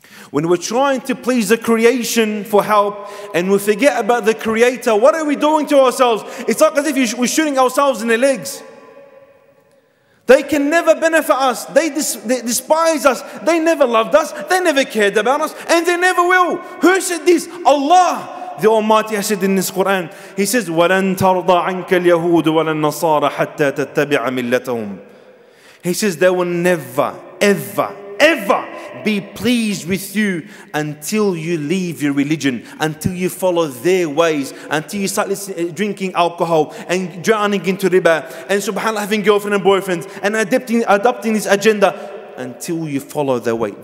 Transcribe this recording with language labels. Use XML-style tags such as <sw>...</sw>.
<en>When we're trying to please the creation for help and we forget about the creator, what are we doing to ourselves? It's like as if we're shooting ourselves in the legs. They can never benefit us. They despise us. They never loved us. They never cared about us. And they never will. Who said this? Allah, the Almighty, has said in this Quran. He says,</en> <ar>وَلَن تَرْضَ عَنْكَ الْيَهُودُ وَلَن نَصَارَ حَتَّى تَتَّبِعَ مِلَّتَهُمْ.</ar> <en>He says, they will never, ever, ever be pleased with you until you leave your religion, until you follow their ways, until you start drinking alcohol and drowning into riba and subhanAllah having girlfriend and boyfriend and adopting this agenda, until you follow their way.</en>